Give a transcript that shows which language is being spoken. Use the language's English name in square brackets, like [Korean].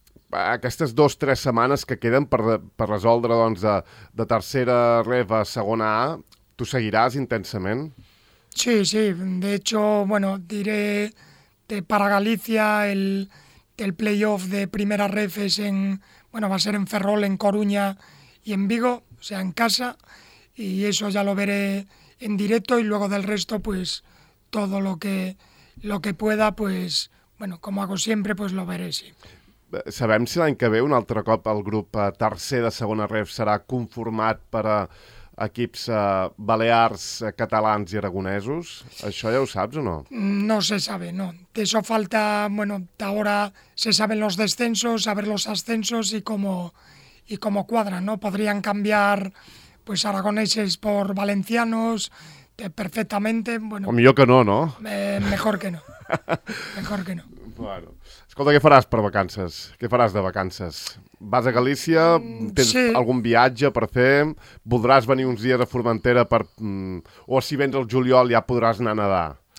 [Catalan] Aquestes dues o tres setmanes que queden per resoldre doncs, de tercera ref a segona A, tu seguiràs intensament? [Spanish] Sí, sí. De hecho, bueno, diré... para Galicia el playoff de primera ref es en, bueno, va a ser en Ferrol, en Coruña y en Vigo, o sea, en casa, y eso ya lo veré en directo, y luego del resto pues todo lo que pueda, pues bueno, como hago siempre, pues lo veré, sí. [Catalan] Sabem si l'any que ve un altre cop el grup tercer de segona ref serà conformat per a equips balears, catalans y aragonesos? ¿Això ja ho saps o no? [Spanish] No se sabe, no. De eso falta, bueno, ahora se saben los descensos, saber los ascensos y cómo cuadran, ¿no? Podrían cambiar pues aragoneses por valencianos perfectamente, bueno. [Catalan] O millor que no, ¿no? [Spanish] Mejor que no. Mejor que no. Bueno. [Catalan] Escolta, què faràs per vacances? Què faràs de vacances? Vas a Galícia? Tens sí. Algun viatge per fer? Voldràs venir uns dies a Formentera per... O si vens el juliol ja podràs anar a nedar?